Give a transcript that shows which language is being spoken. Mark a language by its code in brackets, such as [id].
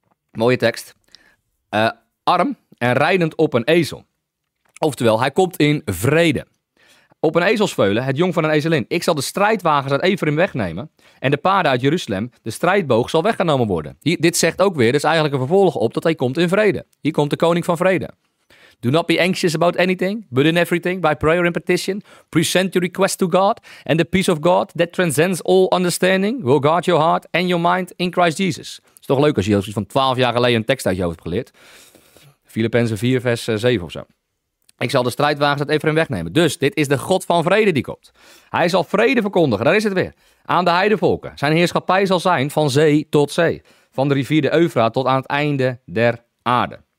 [nl] Mooie tekst. Arm en rijdend op een ezel. Oftewel, hij komt in vrede. Op een ezelsveulen, het jong van een ezelin. Ik zal de strijdwagens uit Ephraim wegnemen. En de paarden uit Jeruzalem, de strijdboog, zal weggenomen worden. Hier, dit zegt ook weer, dus eigenlijk een vervolg op, dat hij komt in vrede. Hier komt de koning van vrede. [en] Do not be anxious about anything, but in everything, by prayer and petition, present your request to God, and the peace of God, that transcends all understanding, will guard your heart and your mind in Christ Jesus. [nl] Is toch leuk als je van 12 jaar geleden een tekst uit je hoofd hebt geleerd. Filippenzen 4 vers 7 of zo. Ik zal de strijdwagens uit Ephraim wegnemen. Dus dit is de God van vrede die komt. Hij zal vrede verkondigen, daar is het weer. Aan de heidenvolken. Zijn heerschappij zal zijn van zee tot zee. Van de rivier de Eufraat tot aan het einde der aarde.